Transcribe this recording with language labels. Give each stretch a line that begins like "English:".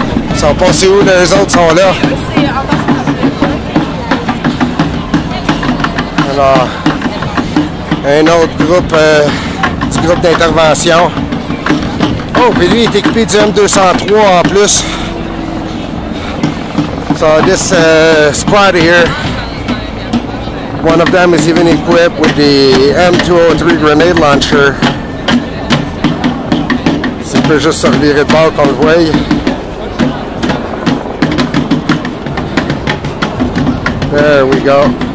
French: Ils sont passés où, les autres sont là? Alors... Un autre groupe, du groupe d'intervention. Oh, puis lui, il est équipé du M203 en plus.
English: So, this squad here, one of them is even equipped with the M203 grenade launcher.
French: Ça peut juste se revirer de bord, comme vous voyez.
English: There we go.